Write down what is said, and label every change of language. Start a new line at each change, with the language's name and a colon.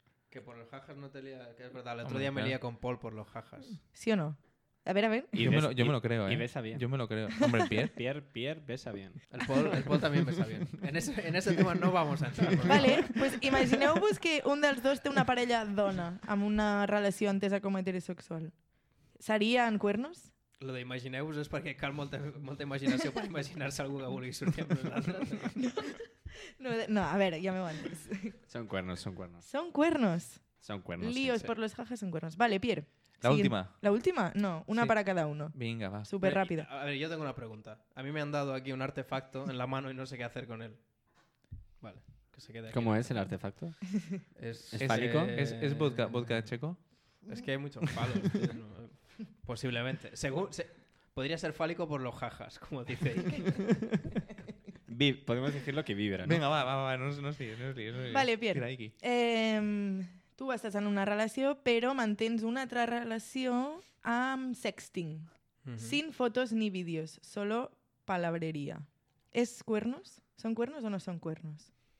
Spanish: Que por los jajas no te lía. Que es verdad, el otro día me lía con Paul por los jajas. ¿Sí o no? A ver. Y yo me lo creo, ¿eh? Y besa bien. Yo me lo creo. Hombre, Pierre besa bien. El Paul también besa bien. En ese tema no vamos a entrar. Porque...
Catalan: Vale, pues imagineu-vos que un dels dos té una parella dona amb una relació entesa com a heterosexual. ¿Serien cuernos? Lo de imagineu-vos és perquè cal molta imaginació per imaginar-se algú que vulgui sortir amb nosaltres. No, a veure, ja m'ho entès. Són cuernos. Són cuernos. Són cuernos.
Spanish: Líos sí. Por los jajas son cuernos. Vale, Pierre. La última. ¿La última? No, una sí. Para cada uno.
Catalan: Vinga, va.
Spanish: Súper rápido. A ver, yo tengo una pregunta. A mí me han dado aquí un artefacto en la mano y no sé qué hacer con él. Vale, que se quede aquí. ¿Cómo es el artefacto? ¿Es fálico? ¿Es vodka checo? Es que hay muchos palos, tío, ¿no? Posiblemente. Podría ser fálico por los jajas, como dice Ike. Podemos decirlo que vibra, ¿no? Venga, va, no es lío. Vale, Pierre.
Catalan: Mira, tú estás en una relació, però mantens una altra relació amb sexting. Uh-huh.
Spanish: Sin fotos ni vídeos, solo palabrería. ¿Es cuernos? ¿Son cuernos o no son cuernos?